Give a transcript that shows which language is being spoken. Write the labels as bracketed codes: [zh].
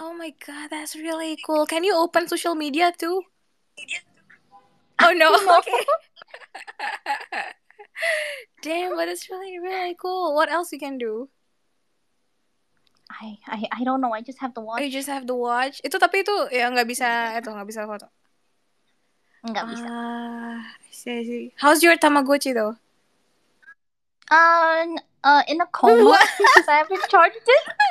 [en] Oh my god, that's really cool. Can you open social media too? Oh no! Okay. Damn, but it's really, really cool. What else you can do? I don't know. I just have the watch. You just have the watch? [id] Itu tapi itu ya nggak bisa, itu nggak bisa foto. Nggak bisa. [en] I see. How's your Tamagotchi though? In a coma because I haven't charged it.